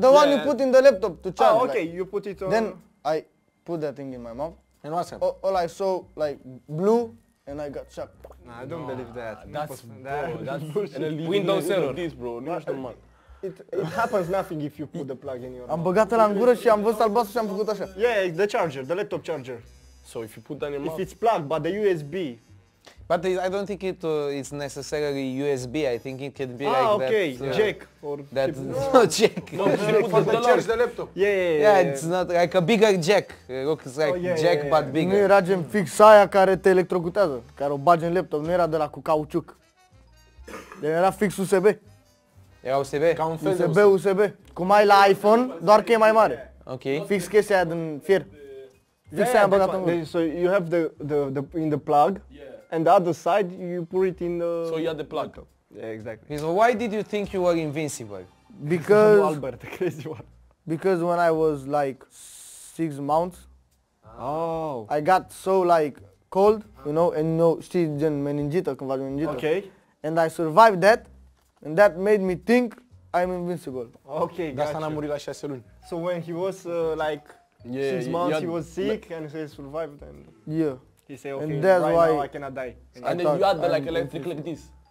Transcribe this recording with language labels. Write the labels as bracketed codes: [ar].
[en] The one you put in the laptop to charge. Ah, okay, like. You put it on. Then I put that thing in my mouth. And what happened? All I saw like blue, and I got shocked. Nah, I don't believe that. That's bullshit. Windows error. This, bro. [ro] Nu știu, mă. [en] It happens nothing if you put the plug in your. [ro] Am băgat la gură și am văzut albastru și am făcut așa. [en] Yeah, the charger, the laptop charger. So if you put that in your mouth. If it's plugged, but the USB. But I don't think it is necessarily USB. I think it could be okay. That, jack. That no jack. No, the charge the laptop. Yeah. It's not like a bigger jack. It looks like jack but bigger. [ro] Nu era gen fix aia care te electrocutează, care o bagi în laptop. Nu era de la cu cauciuc. Era fix USB. Era USB. Ca un fel USB, USB. Cum ai la iPhone, doar că e mai mare. Ok. Fix chestia aia din fier. Fix aia am băgat în [en] mână. So you have the in the plug. And the other side, you put it in the. So you had the plug. Yeah, exactly. So why did you think you were invincible? Because Albert, the crazy one. Because when I was like 6 months, oh, I got so like cold, you know, and no, [ro] știi, gen meningită, când faci meningită. [en] Okay. And I survived that, and that made me think I'm invincible. Okay, got you. [ro] Dar n-a murit la 6 luni. [en] So when he was like 6 months, he was sick and he survived and. Yeah. He say, okay, and that's right why now I cannot die. And then you had the like electric like this.